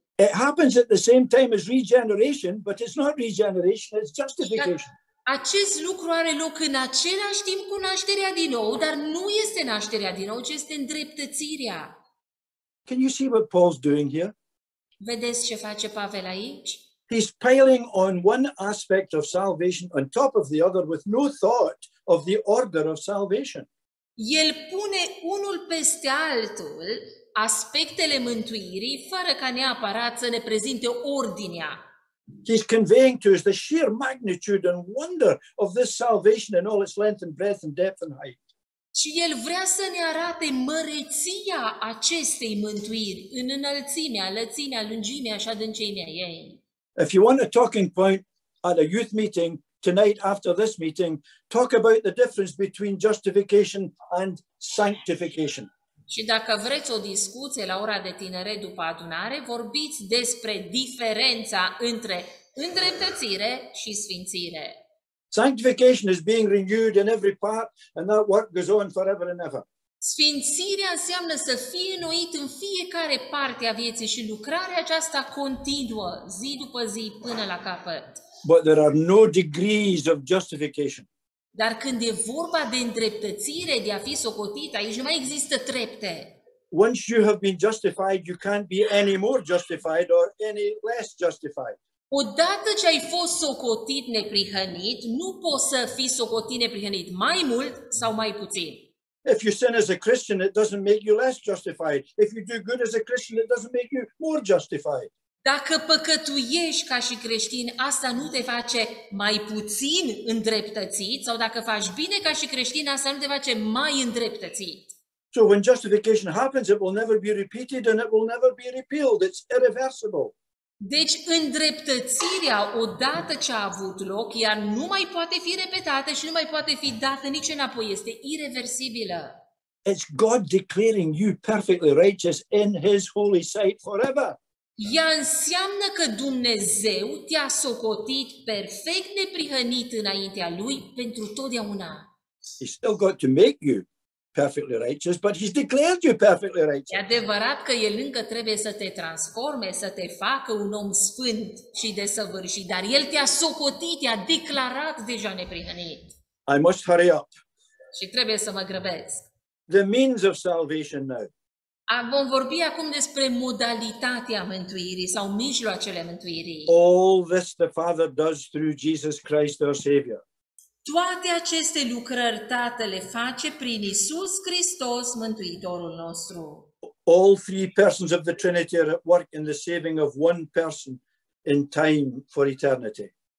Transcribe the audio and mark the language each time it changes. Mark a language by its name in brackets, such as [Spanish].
[English] It happens at the same time as regeneration, but it's not regeneration, it's justification. [Romanian] Acest lucru are loc în același timp cu nașterea din nou, dar nu este nașterea din nou, ci este îndreptățirea. [English] Can you see what Paul's doing here? [Romanian] Vedeți ce face Pavel aici? [English] He's piling on one aspect of salvation on top of the other with no thought of the order of salvation. [Romanian] El pune unul peste altul aspectele mântuirii fără ca neapărat să ne prezinte ordinea. [English] He's conveying to us the sheer magnitude and wonder of this salvation in all its length and breadth and depth and height. [Romanian] Și el vrea să ne arate măreția acestei mântuiri în înălțimea, lățimea, lungimea și adâncimea ei. [English] If you want a talking point at a youth meeting tonight after this meeting, talk about the difference between justification and sanctification. [Romanian] Și dacă vreți o discuție la ora de tineret după adunare, vorbiți despre diferența între îndreptățire și sfințire. [English] Sanctification is being renewed in every part and that work goes on forever and ever. [Romanian] Sfințirea înseamnă să fie înnoit în fiecare parte a vieții și lucrarea aceasta continuă, zi după zi, până la capăt. [English] But there are no degrees of justification. [Romanian] Dar când e vorba de îndreptățire, de a fi socotit, aici nu mai există trepte. [English] Once you have been justified, you can't be any more justified or any less justified. [Romanian] Odată ce ai fost socotit neprihănit, nu poți să fii socotit neprihănit mai mult sau mai puțin. [English] If you sin as a Christian, it doesn't make you less justified. If you do good as a Christian, it doesn't make you more justified. [Romanian] Dacă păcătuiești ca și creștin, asta nu te face mai puțin îndreptățit, sau dacă faci bine ca și creștin, asta nu te face mai îndreptățit. [English] So when justification happens, it will never be repeated and it will never be repealed. It's irreversible. [Romanian] Deci îndreptățirea, odată ce a avut loc, ea nu mai poate fi repetată și nu mai poate fi dată nici înapoi, este ireversibilă. [English] It's God declaring you perfectly righteous in his holy sight forever. [Romanian] Ea înseamnă că Dumnezeu te-a socotit perfect neprihănit înaintea lui pentru totdeauna. [English] He's still got to make you perfectly righteous, but he's declared you perfectly righteous. [Romanian] E adevărat că el încă trebuie să te transforme, să te facă un om sfânt și desăvârșit, dar el te-a socotit, te-a declarat deja neprihănit. [English] I must hurry up. [Romanian] Și trebuie să mă grăbesc. [English] The means of salvation now. [Romanian] Vom vorbi acum despre modalitatea mântuirii sau mijloacele mântuirii. [English] All this the Father does through Jesus Christ our Savior. [Romanian] Toate aceste lucrări Tatăle face prin Iisus Hristos, Mântuitorul nostru. [English] All three persons of the Trinity are at work in the saving of one person in time for eternity.